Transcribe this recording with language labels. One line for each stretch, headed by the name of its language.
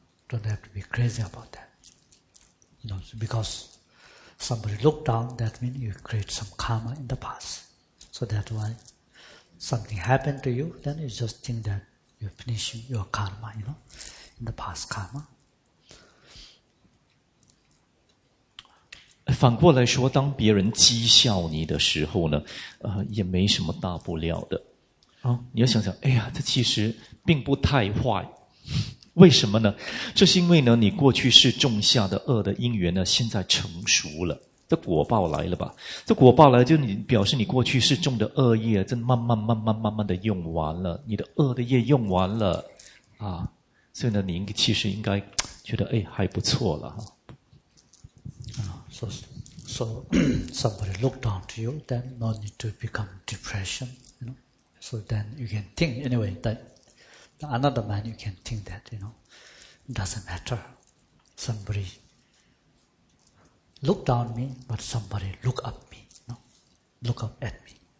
English: Don't have to be crazy about that. You know? Because somebody look down, that means you create some karma in the past. So that's why something happened to you, then you just think that you're finishing your karma, you know, in the past karma.
Chinese: 反过来说，当别人讥笑你的时候呢，也没什么大不了的。你要想想，哎呀，这其实并不太坏。为什么呢？这是因为呢，你过去是种下的恶的因缘呢，现在成熟了，这果报来了吧？这果报来，就你表示你过去是种的恶业，正慢慢的用完了，你的恶的业用完了，所以呢，你其实应该觉得，哎，还不错了
English: So somebody look down to you, then no need to become depression, you know. So then you can think anyway that another man you can think that, you know, doesn't matter. Somebody look down me, but somebody look up me, you know, look up at me.